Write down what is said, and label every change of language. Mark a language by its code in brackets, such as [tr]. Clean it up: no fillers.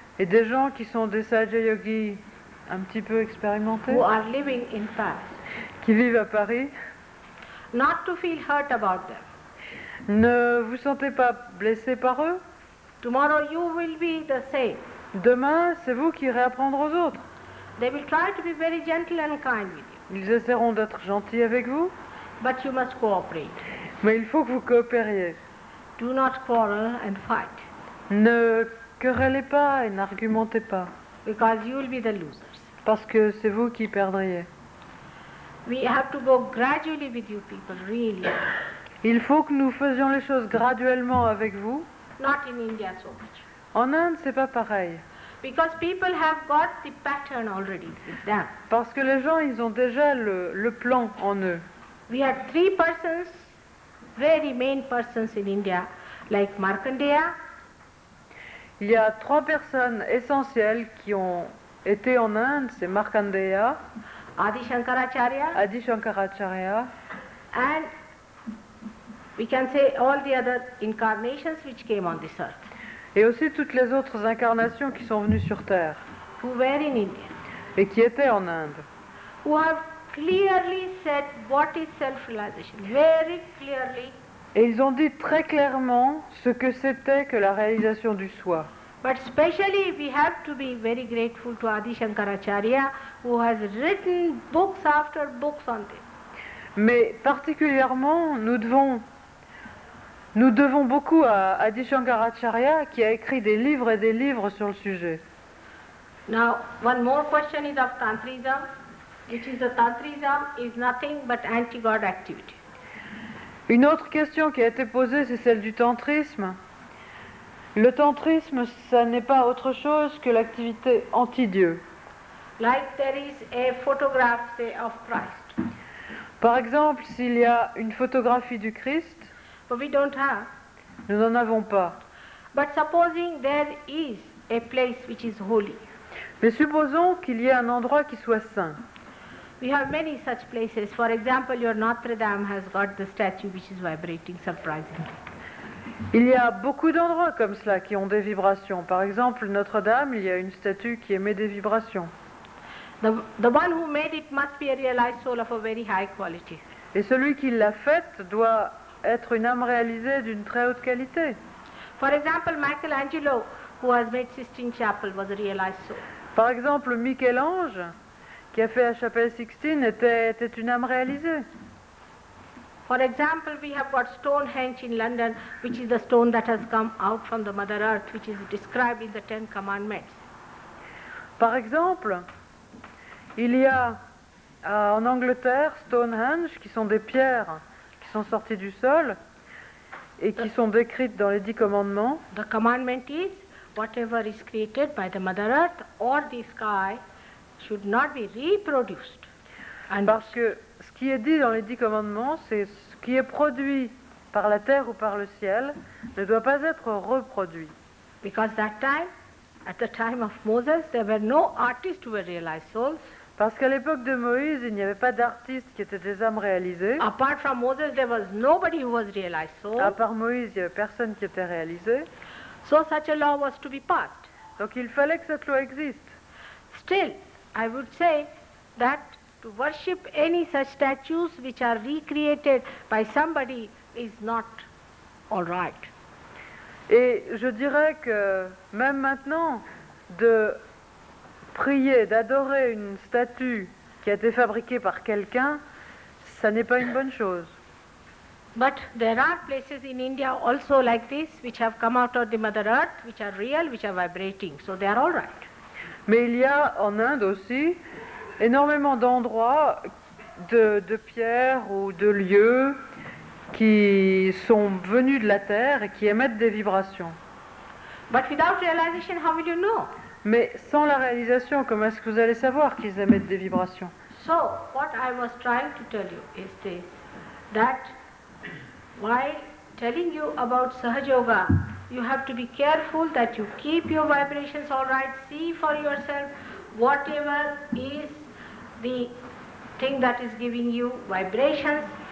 [fr] Et des gens qui sont des sahajyogis un petit peu expérimentés. [en] Who are living in Paris. [fr] Qui vivent à Paris. [en] Not to feel hurt about them. [fr] Ne vous sentez pas blessé par eux. [en] Tomorrow you will be the same. [fr] Demain, c'est vous qui irez apprendre aux autres. [en] They will try to be very gentle and kind with you. [fr] Ils essaieront d'être gentils avec vous. [en] But you must cooperate. [fr] Mais il faut que vous coopériez. [en] Do not quarrel and fight. [fr] Ne querellez pas et n'argumentez pas. [en] Because you will be the losers. [fr] Parce que c'est vous qui perdriez. [en] We have to go gradually with you people, really. [fr] Il faut que nous faisions les choses graduellement avec vous. [en] Not in India so much. [fr] En Inde, c'est pas pareil. [en] Because people have got the pattern already with them. [fr] Parce que les gens, ils ont déjà le plan en eux. [en] We had three persons, very main persons in India, like Markandeya. [fr] Il y a trois personnes essentielles qui ont été en Inde, c'est Markandeya, [en] Adi Shankaracharya, and we can say all the other incarnations which came on this earth. [fr] Et aussi toutes les autres incarnations qui sont venues sur Terre. [en] Who were in India. [fr] Et qui étaient en Inde. [en] Who have clearly said what is self-realization, very clearly. [fr] Et ils ont dit très clairement ce que c'était que la réalisation du soi. [en] But especially we have to be very grateful to Adi Shankaracharya who has written books after books on this. [fr] Mais particulièrement nous devons beaucoup à Adi Shankaracharya qui a écrit des livres et des livres sur le sujet. [en] Now one more question is of tantrism. Which is the tantrism is nothing but anti-god activity. [fr] Une autre question qui a été posée, c'est celle du tantrisme. Le tantrisme, ça n'est pas autre chose que l'activité anti-dieu. [en] Like there is a photograph, say, of Christ. [fr] Par exemple, s'il y a une photographie du Christ, [en] but we don't have. [fr] Nous n'en avons pas. [en] But supposing there is a place which is holy. [fr] Mais supposons qu'il y ait un endroit qui soit saint. [en] We have many such places. For example, your Notre Dame has got the statue which is vibrating surprisingly. [fr] Il y a beaucoup d'endroits comme cela qui ont des vibrations. Par exemple, Notre Dame, il y a une statue qui émet des vibrations. [en] The one who made it must be a realized soul of a very high quality. [fr] Et celui qui l'a faite doit être une âme réalisée d'une très haute qualité. [en] For example, Michelangelo, who has made Sistine Chapel, was a realized soul. [fr] Par exemple, Michel-Ange qui a fait la chapelle Sixtine était une âme réalisée. [en] For example, we have got Stonehenge in London, which is the stone that has come out from the Mother Earth, which is described in the Ten Commandments. [fr] Par exemple, Il y a en Angleterre Stonehenge, qui sont des pierres qui sont sorties du sol et qui sont décrites dans les 10 commandements. [en] The commandment is whatever is created by the Mother Earth or the sky should not be reproduced. [fr] And parce que ce qui est dit dans les 10 commandements, c'est ce qui est produit par la terre ou par le ciel ne doit pas être reproduit. [en] Because that time, at the time of Moses, there were no artists who were realized souls. [fr] Parce qu'à l'époque de Moïse, il n'y avait pas d'artistes qui étaient des âmes réalisées. [en] Apart from Moses, there was nobody who was realized soul. [fr] À part Moïse, il n'y avait personne qui était réalisé. [en] So such a law was to be passed. [fr] Donc il fallait que cette loi existe. [en] Still, I would say that to worship any such statues which are recreated by somebody is not all right. [fr] Et je dirais que même maintenant, de prier, d'adorer une statue qui a été fabriquée par quelqu'un, ça n'est pas une bonne chose. [en] But there are places in India also like this, which have come out of the Mother Earth, which are real, which are vibrating. So they are all right. [fr] Mais il y a en Inde aussi énormément d'endroits de pierres ou de lieux qui sont venus de la terre et qui émettent des vibrations. [en] But without realization, how will you know? [fr] Mais sans la réalisation, comment est-ce que vous allez savoir qu'ils émettent des vibrations? [en] So, what I was trying to tell you is this, that while telling you about Sahaja Yoga, you have to be careful that you keep your vibrations all right, see for yourself whatever is the thing that is giving you vibrations.